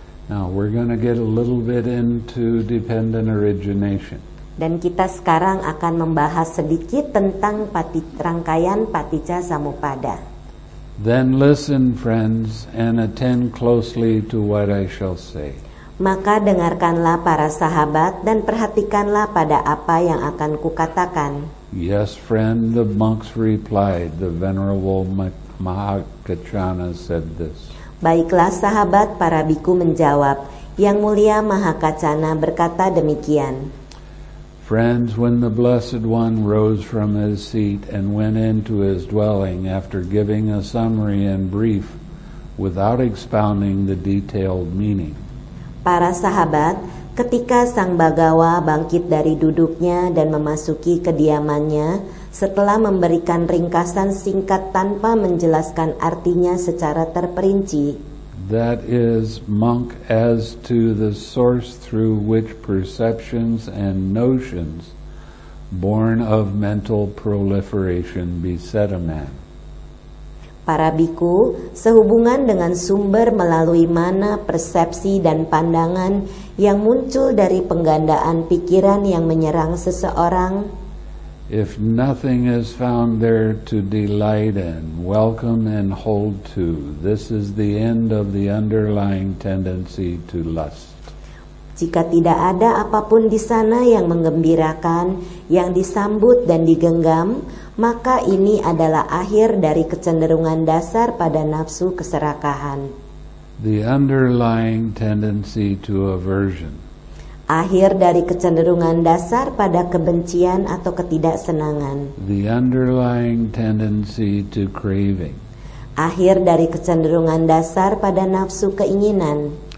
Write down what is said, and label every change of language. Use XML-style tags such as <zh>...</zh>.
<en>Now we're going to get a little bit into dependent origination.</en> <id>Dan kita sekarang akan membahas sedikit tentang rangkaian Paticca Samuppada.</id> <en>Then listen, friends, and attend closely to what I shall say.</en> <id>Maka dengarkanlah para sahabat dan perhatikanlah pada apa yang akan kukatakan.</id> <en>Yes, friend, the monks replied. The venerable Mahakacana said this.</en> <id>Baiklah sahabat, para bhikkhu menjawab. Yang mulia Mahakacana berkata demikian.</id> <en>Friends, when the Blessed One rose from his seat and went into his dwelling after giving a summary in brief without expounding the detailed meaning.</en> <id>Para sahabat, ketika Sang Bhagawa bangkit dari duduknya dan memasuki kediamannya setelah memberikan ringkasan singkat tanpa menjelaskan artinya secara terperinci.</id> <en>That is, monk, as to the source through which perceptions and notions born of mental proliferation beset a man.</en> <id>Para bhikkhu, sehubungan dengan sumber melalui mana persepsi dan pandangan yang muncul dari penggandaan pikiran yang menyerang seseorang.</id> <en>If nothing is found there to delight in, welcome and hold to, this is the end of the underlying tendency to lust.</en> <id>Jika tidak ada apapun di sana yang menggembirakan, yang disambut dan digenggam, maka ini adalah akhir dari kecenderungan dasar pada nafsu keserakahan.</id> <en>The underlying tendency to aversion.</en> <id>Akhir dari kecenderungan dasar pada kebencian atau ketidaksenangan.</id> <en>The underlying tendency to craving.</en> <id>Akhir dari kecenderungan dasar pada nafsu keinginan.</id>